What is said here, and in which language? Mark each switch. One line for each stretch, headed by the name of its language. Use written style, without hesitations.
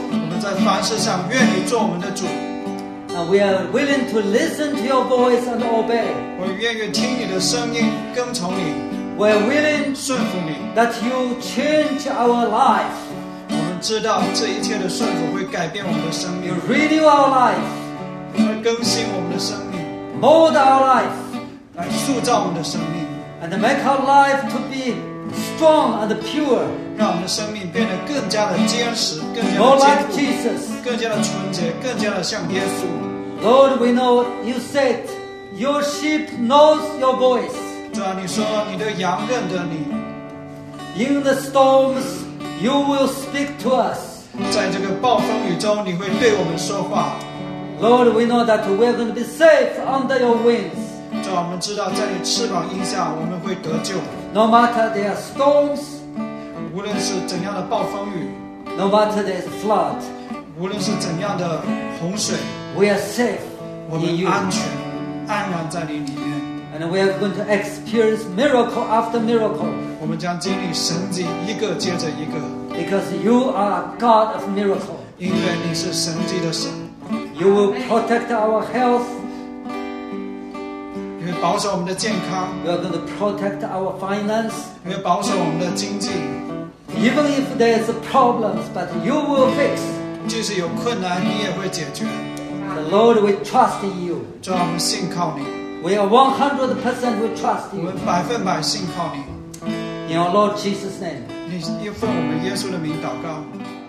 Chinese: 我们在凡事上愿意做我们的主。
English: And we are willing to listen to your voice and obey.
Chinese: 我愿意听你的声音，跟从你。
English: We are willing
Chinese: 顺服你。
English: That you change our life.
Chinese: 我们知道这一切的顺服会改变我们的生命。
English: You renew our life.
Chinese: 来更新我们的生命。
English: Mold our life.
Chinese: 来塑造我们的生命。
English: And make our life to be strong and pure.
Chinese: 让我们的生命变得更加的坚实，更加的坚固，
English: More like Jesus.
Chinese: 更加的纯洁，更加的像耶稣。
English: Lord, we know you said your sheep knows your voice.
Chinese: 主啊，你说你的羊认得你。
English: In the storms, you will speak to us.
Chinese: 在这个暴风雨中，你会对我们说话。
English: Lord, we know that we are going to be safe under your wings.
Chinese: 主啊，我们知道在你翅膀荫下，我们会得救。
English: No matter there are storms.
Chinese: 无论是怎样的暴风雨
English: No matter the flood
Chinese: 无论是怎样的洪水
English: We are safe
Chinese: 我们安全安然在你里面
English: And we are going to experience miracle after miracle
Chinese: 我们将经历神迹一个接着一个
English: Because you are God of miracle
Chinese: 因为你是神迹的神
English: You will protect our health
Chinese: 你保守我们的健康。
English: You are going to protect our finance.
Chinese: 你保守我们的经济。
English: Even if there is problems, but you will fix.
Chinese: 即使有困难，你也会解决。
English: The Lord, we trust in you.
Chinese: 主，我们信靠你。
English: We are 100% we trust you.
Chinese: 我们百分百信靠你。
English: In our Lord Jesus' name.
Chinese: 你奉我们耶稣的名祷告。